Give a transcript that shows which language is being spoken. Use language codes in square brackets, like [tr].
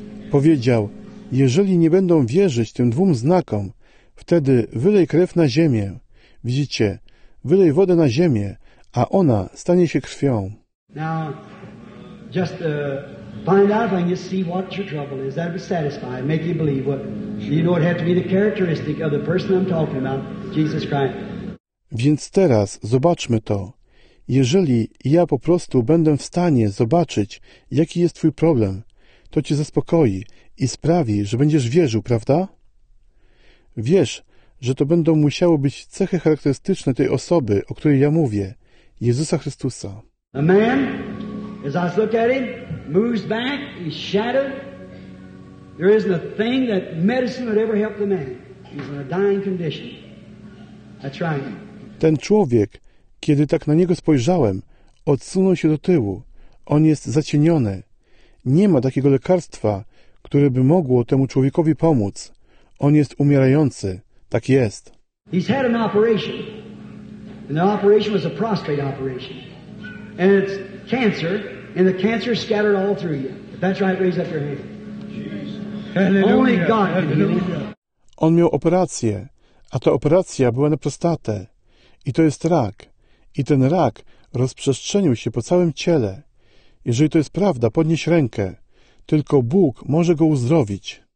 [pl] Powiedział, jeżeli nie będą wierzyć tym dwóm znakom, wtedy wylej krew na ziemię. Widzicie, wylej wodę na ziemię, a ona stanie się krwią. [en] Now, just find out if I can just see what your trouble is. That would satisfy, make you believe what, you know, it had to be the characteristic of the person I'm talking about, Jesus Christ. [pl] Więc teraz zobaczmy to. Jeżeli ja po prostu będę w stanie zobaczyć, jaki jest twój problem, to cię zaspokoi i sprawi, że będziesz wierzył, prawda? Wiesz, że to będą musiały być cechy charakterystyczne tej osoby, o której ja mówię, Jezusa Chrystusa. [en] A man, as I look at him, moves back, he's shattered. There isn't a thing that medicine would ever help the man. He's in a dying condition. That's right. [pl] Ten człowiek, kiedy tak na niego spojrzałem, odsunął się do tyłu. On jest zacieniony. Nie ma takiego lekarstwa, które by mogło temu człowiekowi pomóc. On jest umierający. Tak jest. [en] He's had an operation. And the operation was a prostate operation. And it's cancer, and the cancer scattered all through you. If that's right, raise up your hand. Jesus. Only God can heal. [pl] On miał operację, a ta operacja była na prostatę. I to jest rak. I ten rak rozprzestrzenił się po całym ciele. Jeżeli to jest prawda, podnieś rękę. Tylko Bóg może go uzdrowić.